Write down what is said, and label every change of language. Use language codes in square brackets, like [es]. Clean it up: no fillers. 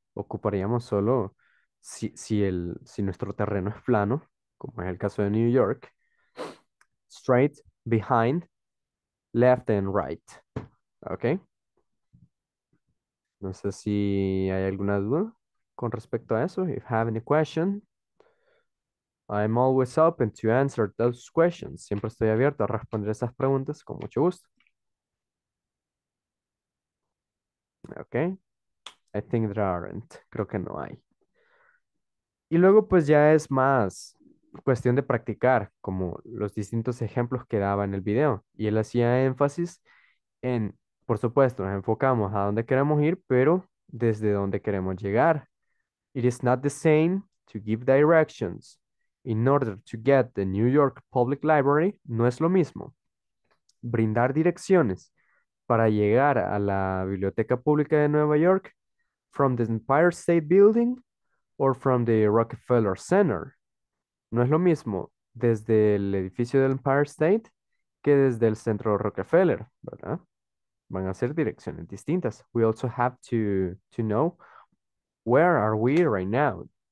[es] Ocuparíamos solo si nuestro terreno es plano, como es el caso de New York. [en] Straight, behind, left and right. Ok. [es] No sé si hay alguna duda con respecto a eso. [en] If you have any question, I'm always open to answer those questions. [es] Siempre estoy abierto a responder esas preguntas con mucho gusto. [en] Okay. I think there aren't. [es] Creo que no hay. Y luego pues ya es más cuestión de practicar, como los distintos ejemplos que daba en el video. Y él hacía énfasis en, por supuesto, nos enfocamos a dónde queremos ir, pero desde dónde queremos llegar. [en] It is not the same to give directions in order to get the New York Public Library. [es] No es lo mismo brindar direcciones para llegar a la Biblioteca Pública de Nueva York [en] from the Empire State Building or from the Rockefeller Center. [es] No es lo mismo desde el edificio del Empire State que desde el centro Rockefeller, ¿verdad? Van a ser direcciones distintas. [en] We also have to know where are we right now.